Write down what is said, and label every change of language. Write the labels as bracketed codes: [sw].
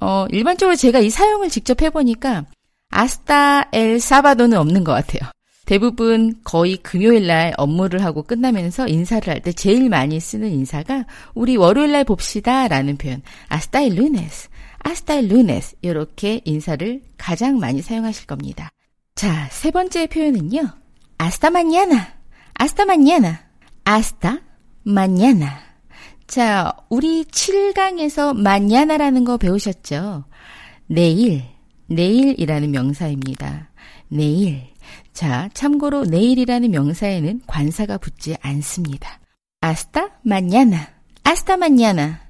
[ko] 일반적으로 제가 이 사용을 직접 해보니까 [es] hasta el sábado [ko] 는 없는 것 같아요. 대부분 거의 금요일날 업무를 하고 끝나면서 인사를 할 때 제일 많이 쓰는 인사가 우리 월요일날 봅시다 라는 표현 [es] hasta el lunes, hasta el lunes [ko] 이렇게 인사를 가장 많이 사용하실 겁니다. 자, 세 번째 표현은요. [es] hasta mañana, hasta mañana, hasta mañana. [ko] 자, 우리 7강에서 mañana라는 거 배우셨죠? 내일, 내일이라는 명사입니다. 내일. 자, 참고로 내일이라는 명사에는 관사가 붙지 않습니다. [es] hasta mañana. hasta mañana.